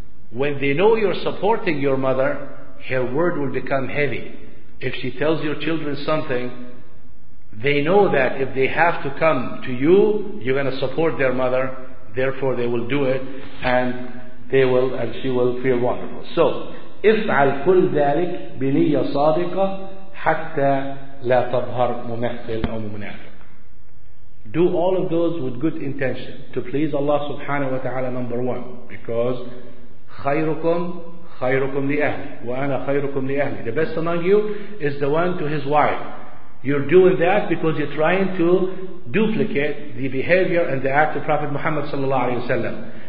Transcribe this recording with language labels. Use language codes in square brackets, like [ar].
[en] When they know you're supporting your mother, her word will become heavy. If she tells your children something, they know that if they have to come to you, you're going to support their mother, therefore they will do it, and they will, and she will feel wonderful. [ar] So, افعل كل ذلك بنية صادقة حتى لا تظهر ممثل أو منافق. [en] Do all of those with good intention to please Allah subhanahu wa ta'ala, number one, because [ar] خيركم خيركم لأهلي وأنا خيركم لأهلي. [en] The best among you is the one to his wife. You're doing that because you're trying to duplicate the behavior and the act of Prophet Muhammad sallallahu alaihi wasallam.